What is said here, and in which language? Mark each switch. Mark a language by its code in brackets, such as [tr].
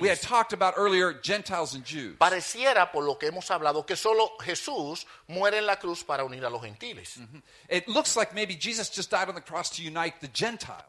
[en] We had talked about earlier Gentiles and Jews. [es] Pareciera por lo que hemos hablado que solo Jesús muere en la cruz para unir a los gentiles. Mm-hmm. [en] It looks like maybe Jesus just died on the cross to unite the Gentiles.